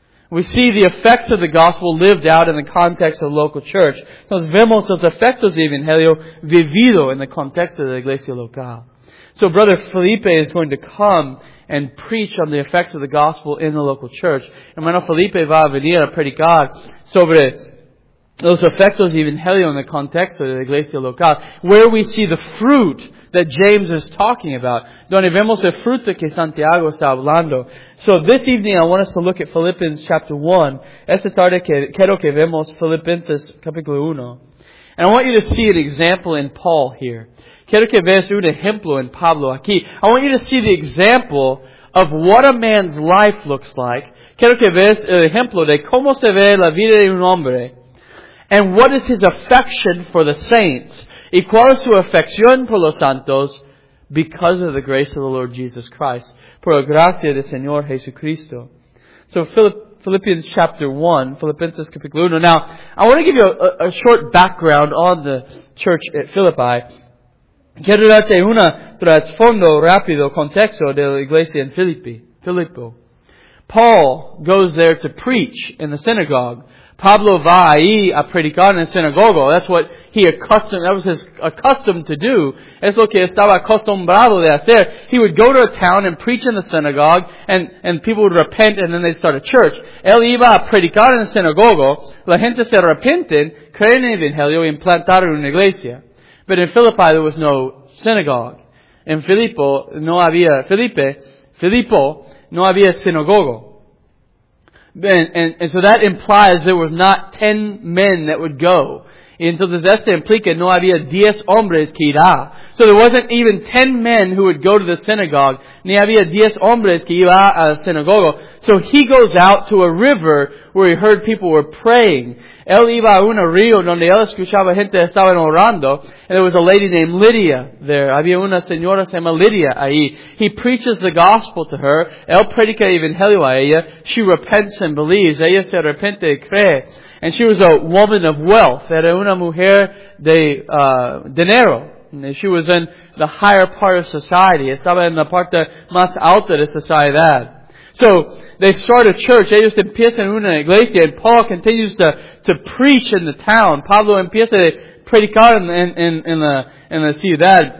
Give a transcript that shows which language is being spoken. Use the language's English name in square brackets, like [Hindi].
[English] We see the effects of the gospel lived out in the context of the local church. [Spanish] Entonces vemos los efectos del evangelio vivido en el contexto de la iglesia local. [English] So Brother Felipe is going to come and preach on the effects of the gospel in the local church. [Spanish] Hermano Felipe va a venir a predicar sobre los efectos del evangelio en el contexto de la iglesia local. [English] Where we see the fruit that James is talking about. [Spanish] Donde vemos el fruto que Santiago está hablando. [English] So this evening I want us to look at Philippians chapter 1. [Spanish] Esta tarde quiero que vemos Filipenses capítulo 1. [English] And I want you to see an example in Paul here. [Spanish] Quiero que veas un ejemplo en Pablo aquí. [English] I want you to see the example of what a man's life looks like. [Spanish] Quiero que veas el ejemplo de cómo se ve la vida de un hombre. [English] And what is his affection for the saints. [Spanish] Y cuál es su afección por los santos. [English] Because of the grace of the Lord Jesus Christ. [Spanish] Por la gracia del Señor Jesucristo. [English] So Philippians chapter 1. Philippians capítulo 1. Now, I want to give you a short background on the church at Philippi. [Spanish] Quiero darte un trasfondo rápido, contexto de la iglesia en Filipo. [English] Paul goes there to preach in the synagogue. [Spanish] Pablo va ahí a predicar en el sinagogo. [English] That's what he was accustomed to do. [Spanish] Es lo que estaba acostumbrado de hacer. [English] He would go to a town and preach in the synagogue, and people would repent, and then they'd start a church. [Spanish] Él iba a predicar en el sinagogo. La gente se arrepenten, creen en el evangelio y implantaron una iglesia. [English] But in Philippi, there was no synagogue. [Spanish] En Filipo, no había Filipo, no había sinagogo. [English] And so that implies there was not 10 men that would go. [Spanish] Y entonces esto implica no había 10 hombres que irá. [English] So there wasn't even 10 men who would go to the synagogue. [Spanish] Ni había 10 hombres que iba a la sinagoga. [English] So he goes out to a river where he heard people were praying. [Spanish] Él iba a un río donde él escuchaba gente estaban orando. [English] And there was a lady named Lydia there. [Spanish] Había una señora se llama Lydia ahí. [English] He preaches the gospel to her. [Spanish] Él predica el evangelio a ella. [English] She repents and believes. [Spanish] Ella se arrepiente y cree. [English] And she was a woman of wealth. [Spanish] Era una mujer de dinero. [English] And she was in the higher part of society. [Spanish] Estaba en la parte más alta de sociedad. [English] So they start a church. [Spanish] Ellos empiezan una iglesia. [English] And Paul continues to preach in the town. [Spanish] Pablo empieza a predicar en la ciudad.